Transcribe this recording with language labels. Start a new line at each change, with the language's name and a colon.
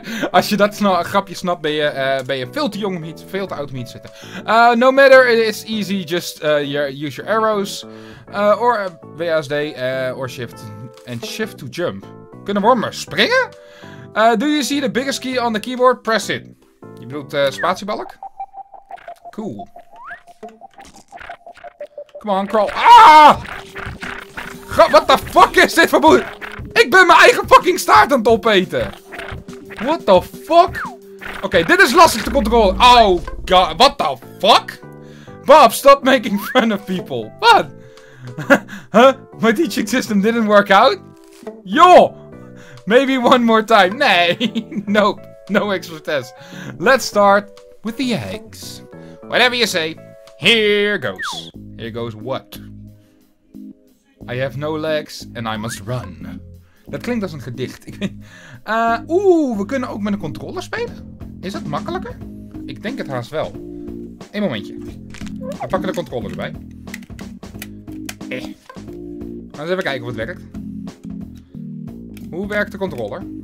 Dutch: Als je dat snel een grapje snapt, ben je veel te jong om iets, veel te oud om iets te zitten.
English: No matter, it's easy, just use your arrows. Or WASD, or shift. And shift to jump.
Dutch: Kunnen wormen springen?
English: Do you see the biggest key on the keyboard? Press it.
Dutch: Je bedoelt spatiebalk?
English: Cool. Come on, crawl. Ah! What the fuck
Dutch: is dit voor boel? Ik ben mijn eigen fucking staart aan het opeten!
English: What the fuck?
Dutch: Oké, dit is lastig te controleren.
English: Oh god, what the fuck? Bob, stop making fun of people. What? Huh? My teaching system didn't work out? Yo! Maybe one more time. Nee, nope. No extra test. Let's start with the eggs. Whatever you say, here goes. Here goes what? I have no legs and I must run.
Dutch: Dat klinkt als een gedicht. we kunnen ook met een controller spelen? Is dat makkelijker? Ik denk het haast wel. Eén momentje. We pakken de controller erbij. Laten we eens even kijken of het werkt. Hoe werkt de controller?